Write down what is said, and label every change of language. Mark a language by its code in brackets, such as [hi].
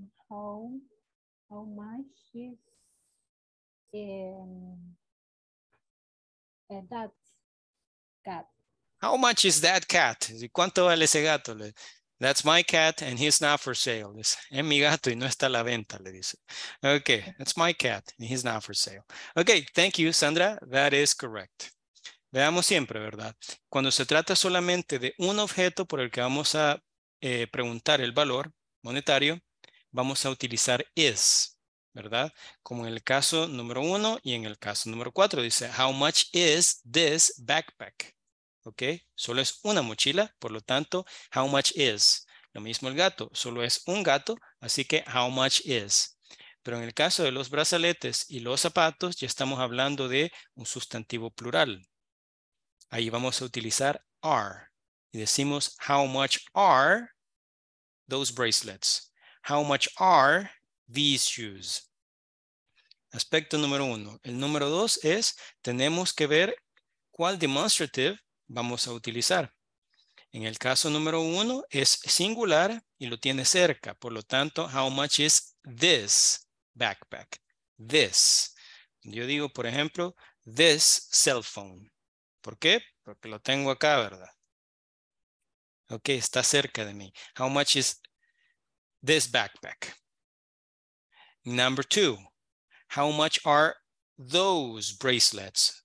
[en] How much is that cat? [es] ¿Cuánto vale ese gato? [en] That's my cat and he's not for sale. [es] Es mi gato y no está a la venta, le dice. [en] Okay, that's my cat and he's not for sale. Okay, thank you, Sandra. That is correct. [es] Veamos siempre, ¿verdad? Cuando se trata solamente de un objeto por el que vamos a preguntar el valor monetario, vamos a utilizar is, ¿verdad? Como en el caso número uno y en el caso número cuatro, dice, [en] how much is this backpack? [es] ¿Ok? Solo es una mochila, por lo tanto, [en] how much is? [es] Lo mismo el gato, solo es un gato, así que [en] how much is? [es] Pero en el caso de los brazaletes y los zapatos, ya estamos hablando de un sustantivo plural. Ahí vamos a utilizar are. Y decimos, [en] how much are those bracelets? How much are these shoes? [es] Aspecto número uno. El número dos es, tenemos que ver cuál demonstrative vamos a utilizar. En el caso número uno es singular y lo tiene cerca. Por lo tanto, [en] how much is this backpack? [es] This. Yo digo, por ejemplo, [en] this cell phone. [es] ¿Por qué? Porque lo tengo acá, ¿verdad? Ok, está cerca de mí. [en] How much is this backpack? Number two, how much are those bracelets?